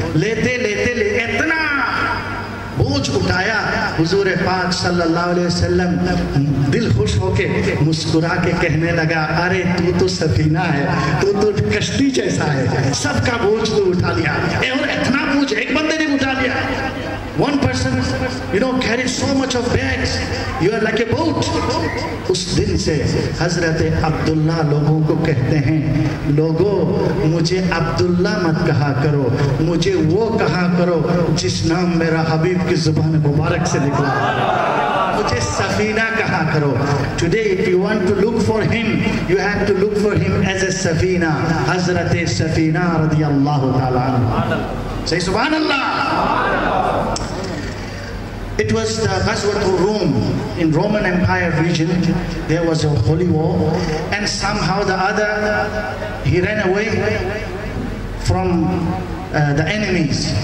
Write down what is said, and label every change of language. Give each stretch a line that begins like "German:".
Urdu: لیتے لیتے لیتے اتنا بوجھ اٹھایا, حضور پاک صلی اللہ علیہ وسلم دل خوش ہو کے مسکرا کے کہنے لگا, ارے تو تو سفینہ ہے, تو تو کشتی جیسا ہے, سب کا بوجھ تو اٹھا لیا. اے اور اتنا بوجھ ایک بندے نے اٹھا لیا.
English: One person, you know, carries so much of bags. You are like a boat.
Urdu: اس دن سے حضرت عبداللہ لوگوں کو کہتے ہیں, لوگو مجھے عبداللہ مت کہا کرو, مجھے وہ کہا کرو جس نام میرا حبیب کی زبان مبارک سے نکلا, مجھے سفینہ کہا کرو.
English: Today, if you want to look for him, you have to look for him as a Safina, حضرت Safina رضی اللہ تعالیٰ عنہ. Say
Arabic: سبحان اللہ.
English: It was the Ghazwatul Rum. In Roman Empire region, there was a holy war, and somehow the other, he ran away from the enemies.